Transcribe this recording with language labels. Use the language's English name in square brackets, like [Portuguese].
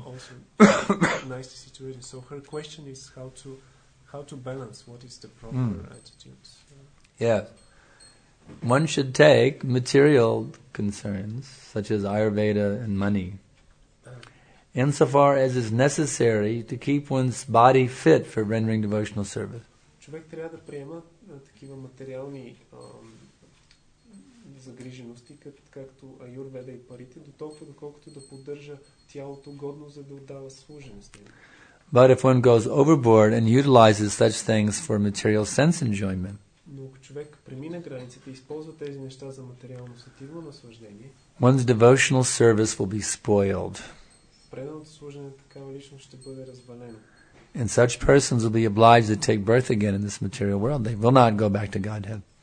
[English] To be also nicely situated. So her question is how to balance, what is the proper attitude? Yeah. One should take material concerns, such as Ayurveda and money, insofar as is necessary to keep one's body fit for rendering devotional service. [Bulgarian] Човек трябва да приема такива материални загрижености, както Аюрведа и парите, до толкова доколкото да поддържа тялото годно, за да отдава служеността. [English] But if one goes overboard and utilizes such things for material sense enjoyment, [Bulgarian] но ако човек премина границите и използва тези неща за материално сативно наслаждение, [English] one's devotional service will be spoiled. [Bulgarian] Преданото служене такава личност ще бъде развалено. [English] And such persons will be obliged to take birth again in this material world. They will not go back to Godhead.